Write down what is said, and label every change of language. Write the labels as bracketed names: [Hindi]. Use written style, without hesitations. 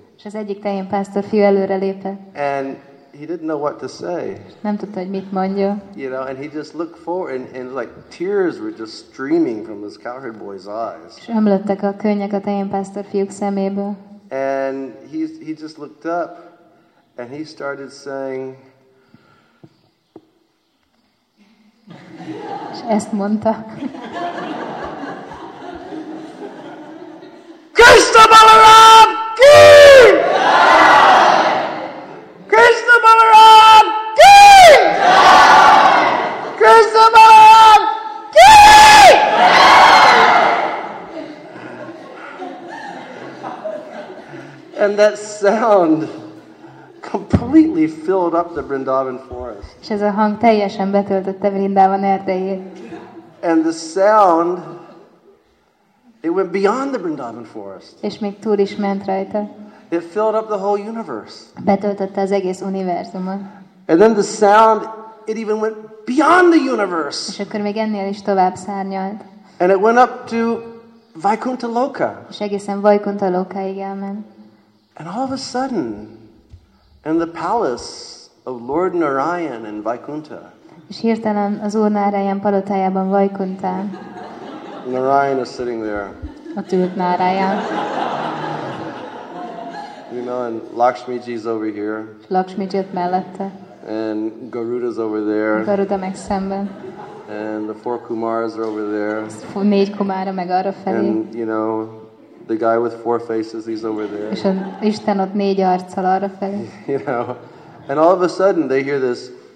[Hungarian] És az egyik tehén pásztor fiú előre lépett. [English] And he didn't know what to say. [Hungarian] Nem tudta, hogy mit mondja. [English] You know, and he just looked forward, and like tears were just streaming from this cowherd boy's eyes. [Hungarian] És ömlöttek a könnyek a tején pásztor fiúk szeméből. [English] And he just looked up, and he started saying. [Hungarian] És ezt mondta. [Hindi] Krishna Balaram ki! Krishna Balaram ki! Krishna Balaram ki! [English] And that sound completely filled up the Vrindavan forest. [Hungarian] És ez a hang teljesen betöltötte Vrindavan erdejét. [English] And the sound, it went beyond the Vrindavan forest. [Hungarian] És még túl is ment rajta. [English] It filled up the whole universe. [Hungarian] Betöltötte az egész univerzumot. [English] And then the sound, it even went beyond the universe. [Hungarian] És akkor még ennél is tovább szárnyalt. [English] And it went up to Vaikuntha Loka. [Hungarian] És egészen Vaikuntha Lokáig elment. [English] And all of a sudden, in the palace of Lord Narayan in Vaikuntha. [Hungarian] És hirtelen az Úr Narayan palotájában Vaikuntha. [English] Narayan is sitting there. [Hungarian] Ott ült Narayan. [English] You know, and Lakshmiji's over here. [Hungarian] Lakshmiji ott mellette. [English] And Garuda's over there. [Hungarian] Garuda meg szemben. [English] And the four Kumaras are over there. [Hungarian] Négy Kumara meg arra felé. [English] And you know, the guy with four faces, he's over there. [Hungarian] És Isten ott négy arccal arra felé. [English] You know, and all of a sudden they hear this.